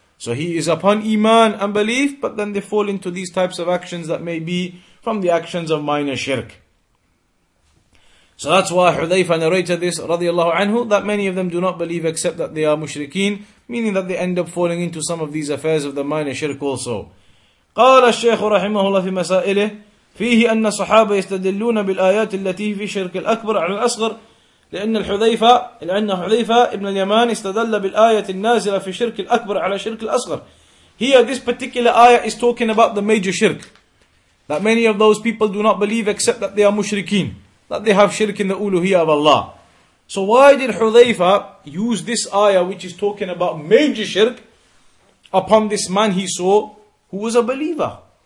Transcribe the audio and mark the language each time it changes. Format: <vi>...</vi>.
<en>So he is upon Iman and belief, but then they fall into these types of actions that may be from the actions of minor shirk. So that's why Hudhayfa narrated this,</en> <ar>radiallahu anhu,</ar> <en>that many of them do not believe except that they are mushrikeen, meaning that they end up falling into some of these affairs of the minor shirk also.</en> <ar>قال الشيخ رحمه الله في مسائله فيه أن الصحابة يستدلون بالآيات التي في الشرك الأكبر على الأصغر لأن حذيفة ابن اليمان استدل بالآية النازلة في الشرك الأكبر على الشرك الأصغر.</ar> <en>Here this particular ayah is talking about the major shirk, that many of those people do not believe except that they are mushrikeen, that they have shirk in the uluhiyya of Allah. So why did Hudhayfa use this ayah, which is talking about major shirk, upon this man he saw who was a believer?</en>